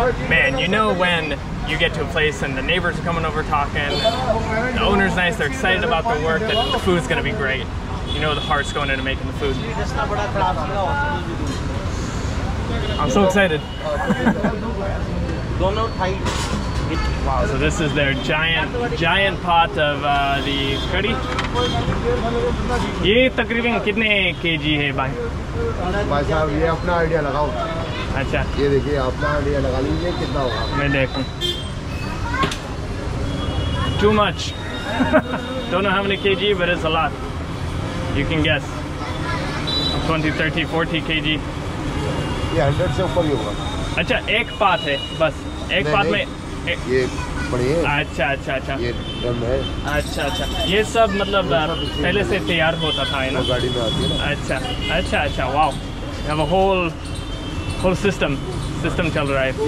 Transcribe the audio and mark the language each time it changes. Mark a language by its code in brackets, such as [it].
[en] Man, you know when you get to a place and the neighbors are coming over talking, the owner's nice, they're excited about the work, that the food's gonna be great. You know the heart's going into making the food. I'm so excited. Wow, so this is their giant pot of the curry. [hi] ये तकरीबन कितने KG है भाई? भाई साहब ये अपना idea लगाओ। अच्छा। ये देखिए अपना आइडिया लगा लीजिए कितना होगा। मैं देखूँ। [en] Too much. Don't know how many kg, but it's a lot. You can guess. 20, 30, 40 kg. Yeah, [hi] 100 से ऊपर ही होगा। अच्छा, एक पात है, बस एक पात में। ये बड़ी है। अच्छा, अच्छा, अच्छा। ये डम है। अच्छा, अच्छा। ये सब मतलब पहले से तैयार होता था, है ना? गाड़ी में आती है ना? अच्छा, अच्छा, अच्छा। [en] Wow. You have a whole system. [hi] System चल रहा है।